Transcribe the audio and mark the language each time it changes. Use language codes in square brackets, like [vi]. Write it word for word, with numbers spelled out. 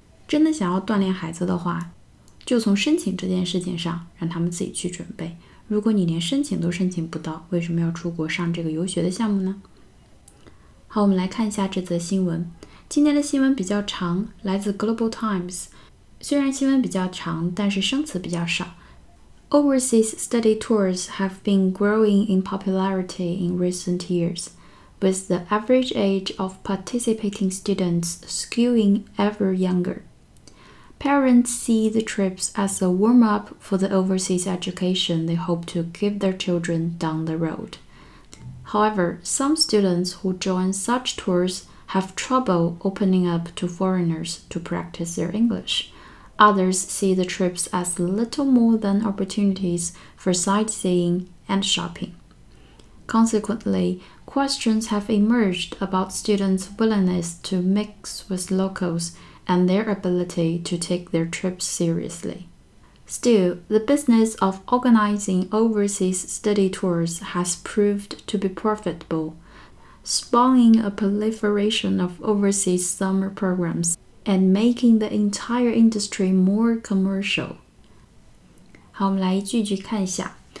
[zh] 真的想要锻炼孩子的话，就从申请这件事情上让他们自己去准备。如果你连申请都申请不到，为什么要出国上这个游学的项目呢？好，我们来看一下这则新闻。今天的新闻比较长，来自 Global Times。虽然新闻比较长，但是生词比较少。 [en] Overseas study tours have been growing in popularity in recent years,with the average age of participating students skewing ever younger. Parents see the trips as a warm-up for the overseas education they hope to give their children down the road. However, some students who join such tours have trouble opening up to foreigners to practice their English. Others see the trips as little more than opportunities for sightseeing and shopping. Consequently, questions have emerged about students' willingness to mix with locals and their ability to take their trips seriously. Still, the business of organizing overseas study tours has proved to be profitable, spawning a proliferation of overseas summer programs and making the entire industry more commercial. [zh] 好，我们来一句一句看一下。